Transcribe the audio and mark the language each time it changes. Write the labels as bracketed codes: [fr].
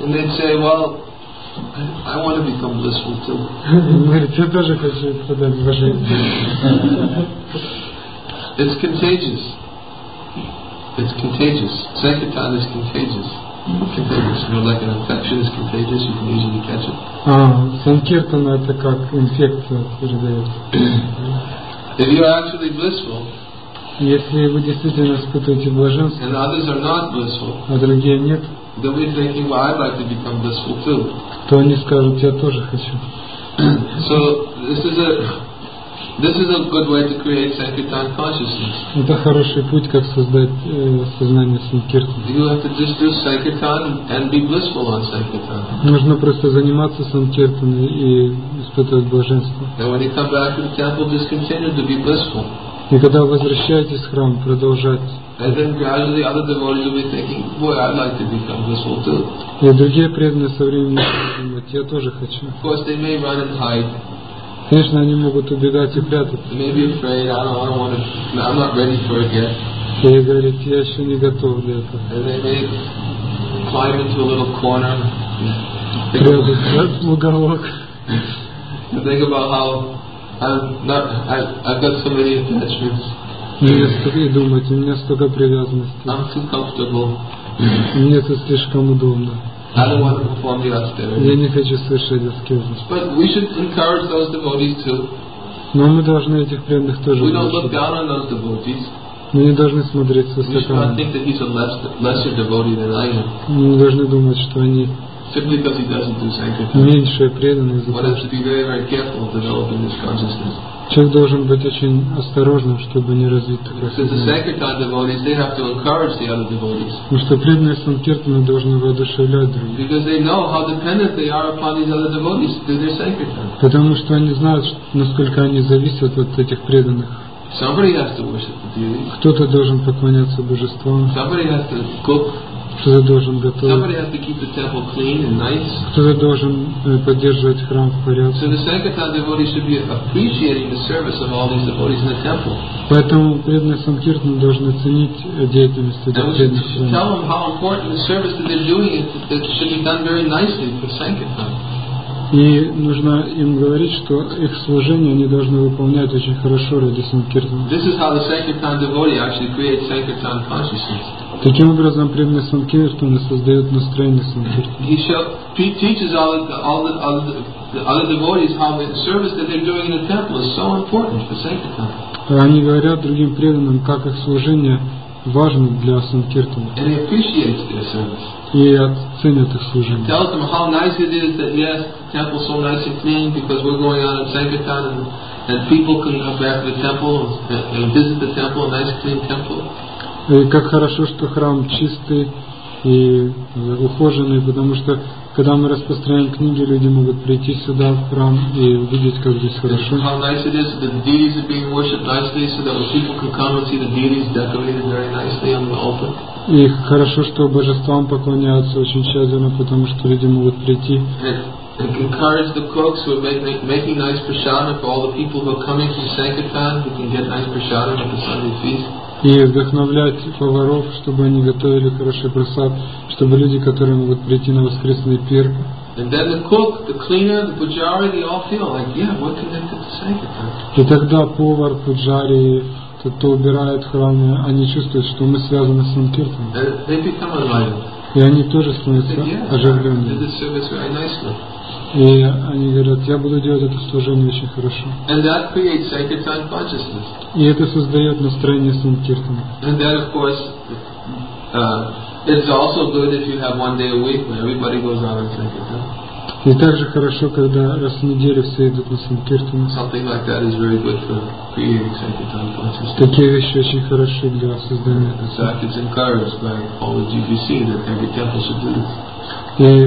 [en] And they say, well, I want to become blissful too. [ru] Говорит, я тоже хочу стать блаженным. [en] It's contagious. It's contagious. Sankirtan is contagious. Contagious. You know, like an infection is contagious, you can easily catch it. Sankirtan is like an infection. If you are actually blissful, [ru] если вы действительно испытываете блаженство, [en] and others are not blissful, [ru] а другие нет, [en] they'll be thinking, well, I'd like to become blissful too. [ru] То они скажут, я тоже хочу. [en] So this is a good way to create sankirtan consciousness. [ru] Это хороший путь, как создать сознание санкиртан. [en] You have to just do sankirtan and be blissful on sankirtan. [ru] Нужно просто заниматься санкиртан и испытывать блаженство. [en] And when you come back to the temple, just continue to be blissful. [ru] И когда вы возвращаетесь в храм, продолжать. [en] And then gradually other devotees will be thinking, boy, I'd like to become blissful too. [ru] И другие преданные со временем думают, я тоже хочу. [en] Of course, they may run and hide. [ru] Конечно, они могут убегать и прятаться. [en] They may be afraid, I'm not ready for it yet. [ru] И говорит, я еще не готов для этого. [en] And they may climb into a little corner. [ru] Прятаться в уголок. [en] Think about how I've got so many attachments. [ru] У меня столько привязанностей. [en] I'm too comfortable. [ru] Мне это слишком удобно. [en] I don't want to perform the austerity. [ru] Я не хочу совершать аскезу. [en] But we should encourage those devotees too. [ru] Но мы должны этих преданных тоже. [en] We don't look down on those devotees. [ru] Мы не должны смотреть со стороны. [en] We should not think that he's a lesser devotee than I am. [ru] Мы не должны думать, что они. [en] Simply because he doesn't do sankirtan. [ru] Меньшая преданность. [en] One has to be very, very careful in developing this consciousness. [ru] Человек должен быть очень осторожным, чтобы не развить такое сознание. [en] Because the sankirtan devotees, they have to encourage the other devotees. [ru] Потому что преданные санкиртаны должны воодушевлять других. [en] Because they know how dependent they are upon these other devotees to their sankirtan. [ru] Потому что они знают, насколько они зависят от этих преданных. [en] Somebody has to worship the deity. [ru] Кто-то должен поклоняться божествам. [en] Somebody has to cook. [ru] Кто-то должен готовить. [en] Somebody has to keep the temple clean and nice. [ru] Кто-то должен поддерживать храм в порядке. [en] So the sankirtan devotee should be appreciating the service of all these devotees in the temple. [ru] Поэтому преданные санкиртаны должны ценить деятельность этих преданных. [en] And we should tell them how important the service that they're doing is, that should be done very nicely for sankirtan. [ru] И нужно им говорить, что их служение они должны выполнять очень хорошо ради санкиртаны. [en] This is how the sankirtan devotee actually creates sankirtan consciousness. [ru] Таким образом, преданный санкиртана создает настроение санкиртаны. [en] He teaches all the devotees how the service that they're doing in the temple is so important for sankirtan. [ru] Они говорят другим преданным, как их служение важно для санкиртаны. [en] And he appreciates their service. [ru] И оценят их служение. [en] He tells them how nice it is that yes, the temple is so nice and clean because we're going on in sankirtan and people can come back to the temple and visit the temple, a nice clean temple. [ru] И как хорошо, что храм чистый и ухоженный, потому что когда мы распространяем книги, люди могут прийти сюда в храм и увидеть, как здесь хорошо. [en] How nice it is that the deities are being worshipped nicely, so that people can come and see the deities decorated very nicely on the altar. [ru] И хорошо, что божествам поклоняются очень тщательно, потому что люди могут прийти. [en] And encourage the cooks who are making nice prasadam for all the people who are coming from sankirtan, who can get nice prasadam at the Sunday feast. [ru] И вдохновлять поваров, чтобы они готовили хороший просад, чтобы люди, которые могут прийти на воскресный пир. [en] And then the cook, the cleaner, the pujari, they all feel like, yeah, we're connected to sankirtan. [ru] И тогда повар, пуджари, тот, кто убирает храм, они чувствуют, что мы связаны с санкиртаном. [en] They become enlightened. [ru] И они тоже становятся оживленными. [en] They did the service very nicely. [ru] И они говорят, я буду делать это служение очень хорошо. [en] And that creates sankirtan consciousness. [ru] И это создает настроение санкиртана. [en] And that, of course, It's also good if you have one day a week when everybody goes out and sankirtan. [ru] И также хорошо, когда раз в неделю все идут на санкиртан. [en] Something like that is very good for creating sankirtan consciousness. [ru] Такие вещи очень хороши для создания. [en] In fact, it's encouraged by all the GBC that every temple should do this.